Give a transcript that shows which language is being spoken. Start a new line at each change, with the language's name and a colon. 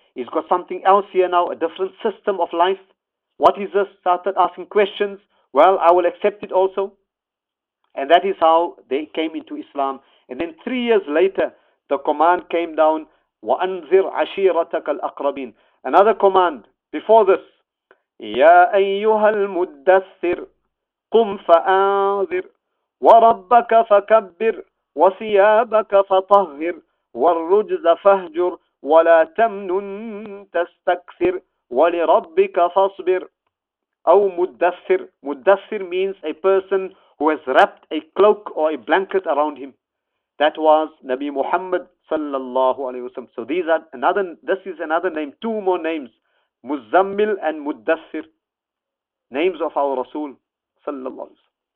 English: He's got something else here now, a different system of life. What is this? Started asking questions. Well, I will accept it also. And that is how they came into Islam. And then 3 years later, the command came down,
Arabic: وَأَنْذِرْ عَشِيرَتَكَ الْأَقْرَبِينَ.
English: Another command before this,
Arabic: يَا أَيُّهَا الْمُدَّثِّرُ قُمْ فَآذِرْ وَرَبَّكَ فَكَبِّرْ وَثِيَابَكَ فَطَهِّرْ وَالرُّجْزَ فَهْجُرْ وَلَا تَمْنُنْ تَسْتَكْثِرْ وَلِرَبِّكَ فَصْبِرْ. أو مدثر.
English: مدثر means a person who has wrapped a cloak or a blanket around him. That was Nabi Muhammad sallallahu alayhi wasallam. So these are another, this is another name, two more names, Muzammil and Mudassir, names of our Rasul sallallahu alayhi wasallam.